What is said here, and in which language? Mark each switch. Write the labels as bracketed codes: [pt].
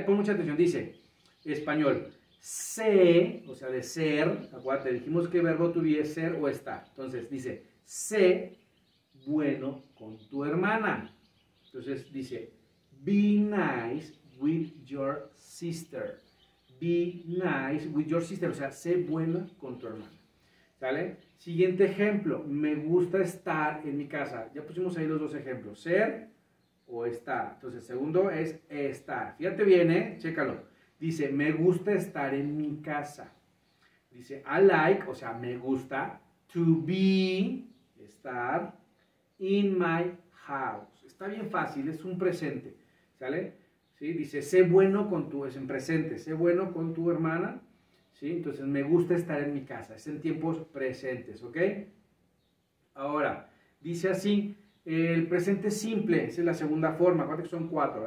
[es] Pon mucha atención, dice, español, sé, o sea, de ser, acuérdate, dijimos que verbo to be es ser o estar, entonces dice, sé bueno con tu hermana, entonces dice, [en] be nice with your sister, [es] be nice with your sister, o sea, sé bueno con tu hermana, ¿sale? Siguiente ejemplo, me gusta estar en mi casa. Ya pusimos ahí los dos ejemplos, ser o estar. Entonces, segundo es estar. Fíjate bien, chécalo. Dice, me gusta estar en mi casa. Dice, [en] I like, [es] o sea, me gusta, [en] to be, [es] estar, [en] in my house. [es] Está bien fácil, es un presente, ¿sale? ¿Sí? Dice, sé bueno con tu, es en presente, sé bueno con tu hermana. ¿Sí? Entonces, me gusta estar en mi casa. Es en tiempos presentes, ¿ok? Ahora, dice así, el presente simple, esa es la segunda forma, acuérdate que son cuatro.